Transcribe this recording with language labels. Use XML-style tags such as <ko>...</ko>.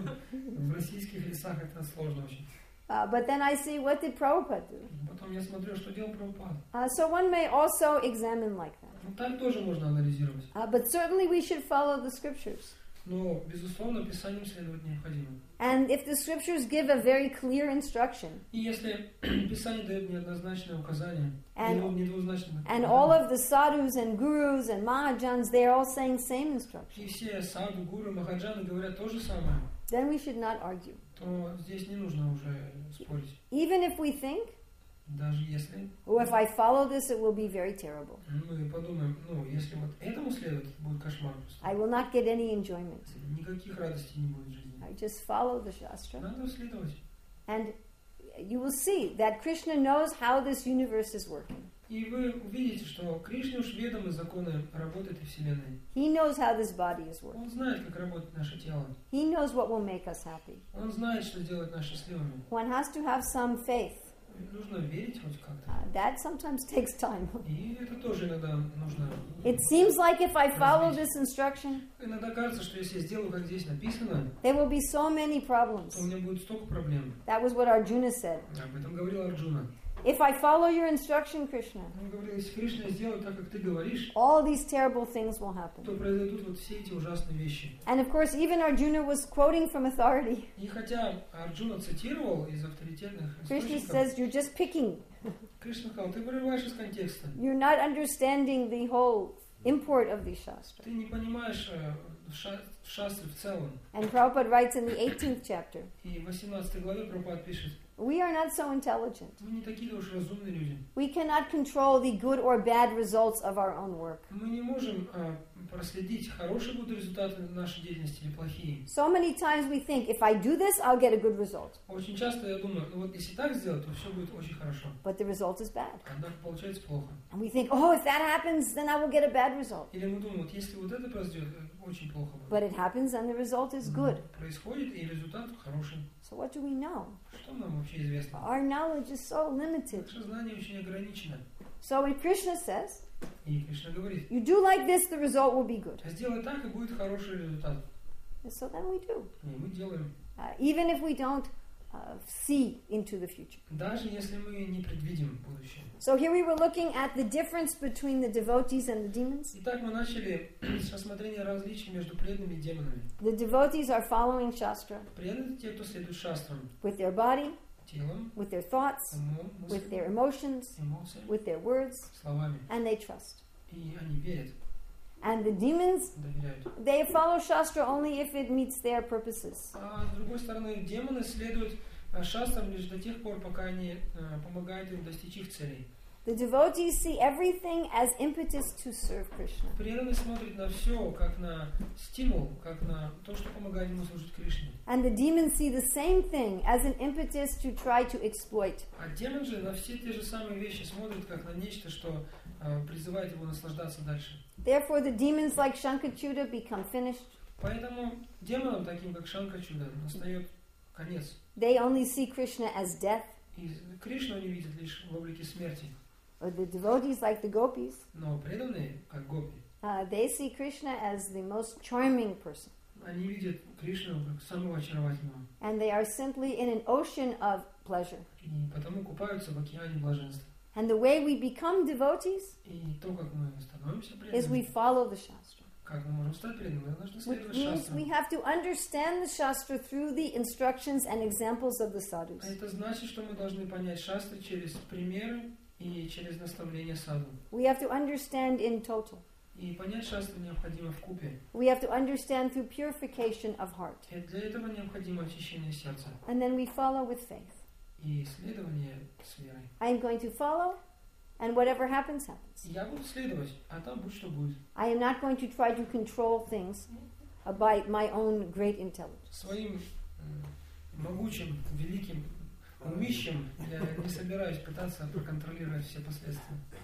<ru>В российских лесах это сложно очень.</ru> <en>But then I see, what did Prabhupada do?</en> <ru>Потом я смотрю, что делал Прабхупада.</ru> <en>So one may also examine like that.</en> <ru>Так тоже можно анализировать.</ru> <en>But certainly we should follow the scriptures.</en> <ru>Но, безусловно, Писанию следовать необходимо.</ru> <en>And if the scriptures give a very clear instruction,</en> <ru>и если Писание дает неоднозначное указание, недвузначное указание,</ru> <en>and all of the sadhus and gurus and mahajans, they're all saying same instruction,</en> <ru>и все саду, гуру, махаджаны говорят то же самое,</ru> <en>then we should not argue.</en> <ru>То здесь не нужно уже спорить.</ru> <en>Even if we think,</en> <ru>даже если,</ru> <en>oh, if I follow this, it will be very terrible.</en> <ru>Ну и подумаем, ну если вот этому следовать, это будет кошмар просто.</ru> <en>I will not get any enjoyment.</en> <ru>Никаких радостей не будет в жизни.</ru> <en>I just follow the shastra.</en> <ru>Надо следовать.</ru> <en>And you will see that Krishna knows how this universe is working.</en> <ru>И вы увидите, что Кришне уж ведомы законы работы этой вселенной.</ru> <en>He knows how this body is working.</en> <ru>Он знает, как работает наше тело.</ru> <en>He knows what will make us happy.</en> <ru>Он знает, что делает нас счастливыми.</ru> <en>One has to have some faith.</en> <ru>Нужно верить хоть как-то.</ru> <en>That sometimes takes time.</en> <ru>И это тоже иногда нужно.</ru> <en>It seems like if I follow this instruction,</en> <ru>иногда кажется, что если я сделаю, как здесь написано,</ru> <en>there will be so many problems.</en> <ru>У меня будет столько проблем.</ru> <en>That was what Arjuna said.</en> <ru>Об этом говорил Арджуна.</ru> <en>If I follow your instruction, Krishna,</en> <ru>он говорил, если Кришна сделает так, как ты говоришь,</ru> <en>all these terrible things will happen.</en> <ru>То произойдут вот все эти ужасные вещи.</ru> <en>And of course, even Arjuna was quoting from authority.</en> <ru>И хотя Арджуна цитировал из авторитетных источников,</ru> <en>Krishna says, you're just picking.</en> <ru>Кришна сказал, ты вырываешь из контекста.</ru> <en>You're not understanding the whole import of these shastras.</en> <ru>Ты не понимаешь шастры в целом.</ru> <en>And Prabhupada writes in the 18th chapter.</en> <ru>И в 18 главе Прабхупада пишет.</ru> <en>We are not so intelligent.</en> <ru>Мы не такие уж разумные люди.</ru> <en>We cannot control the good or bad results of our own work.</en> <ru>Мы не можем проследить, хорошие будут результаты нашей деятельности или плохие.</ru> <en>So many times we think, if I do this, I'll get a good result.</en> <ru>Очень часто я думаю, ну вот если так сделать, то все будет очень хорошо.</ru> <en>But the result is bad.</en> <ru>Однако получается плохо.</ru> <en>And we think, oh, if that happens, then I will get a bad result.</en> <ru>Или мы думаем, вот если вот это произойдет, очень плохо будет.</ru> <en>But it happens, and the result is good.</en> <ru>Происходит, и результат хороший.</ru> <en>So what do we know?</en> <ru>Что нам вообще известно?</ru> <en>Our knowledge is so limited.</en> <ru>Наше знание очень ограничено.</ru> <en>So when Krishna says,</en> <ru>и Кришна говорит,</ru> <en>you do like this, the result will be good.</en> <ru>Сделай так, и будет хороший результат.</ru> <en>So then we do.</en> <ru>И мы делаем.</ru> <en>Even if we don't see into the future.</en> <ru>Даже если мы не предвидим будущее.</ru> <en>So here we were looking at the difference between the devotees and the demons.</en> <ru>Итак, мы начали с рассмотрения различий между преданными и демонами.</ru> <en>The devotees are following shastra.</en> <ru>Преданные — те, кто следует шастрам.</ru> <en>With their body.</en> <ru>Телом.</ru> <en>With their thoughts.</en> <ru>Умом.</ru> <en>With their emotions.</en> <ru>Эмоциями.</ru> <en>With their words.</en> <ru>Словами.</ru> <en>And they trust.</en> <ru>И они верят.</ru> <en>And the demons,</en> <ru>доверяют.</ru> <en>They follow shastra only if it meets their purposes.</en> <ru>А с другой стороны, демоны следуют шастрам лишь до тех пор, пока они помогают им достичь их целей.</ru> <en>The devotees see everything as impetus to serve Krishna.</en> <ru>Преданные смотрят на все как на стимул, как на то, что помогает ему служить Кришне.</ru> <en>And the demons see the same thing as an impetus to try to exploit.</en> <ru>А демон же на все те же самые вещи смотрит как на нечто, что призывает его наслаждаться дальше.</ru> <en>Therefore, the demons like Shankarachuda become finished.</en> <ru>Поэтому демонам таким как Шанкарачуда настает конец.</ru> <en>They only see Krishna as death.</en> <ru>И Кришну они видят лишь в облике смерти.</ru> <en>But the devotees like the gopis.</en> <ru>Но преданные как гопи.</ru> <en>They see Krishna as the most charming person.</en> <ru>Они видят Кришну как самого очаровательного.</ru> <en>And they are simply in an ocean of pleasure.</en> <ru>И потому купаются в океане блаженства.</ru> <en>And the way we become devotees</en> <ru>то,</ru> <en>is we follow the shastra.</en> <ru>Как мы можем стать преданными?</ru> <en>Which means we have to understand the shastra through the instructions and examples of the sadhus.</en> <ru>А это значит, что мы должны понять шастры через примеры и через наставления садху.</ru> <en>We have to understand in total.</en> <ru>И понять шастры необходимо вкупе.</ru> <en>We have to understand through purification of heart.</en> <ru>И для этого необходимо очищение сердца.</ru> <en>And then we follow with faith.</en> <ru>И следование с верой.</ru> <en>I am going to follow, and whatever happens, happens.</en> <ru>Я буду следовать, а там будет, что будет.</ru> <en>I am not going to try to control things by my own great intelligence.</en> <ru>Своим могучим, великим умищем я не собираюсь пытаться проконтролировать все последствия.</ru>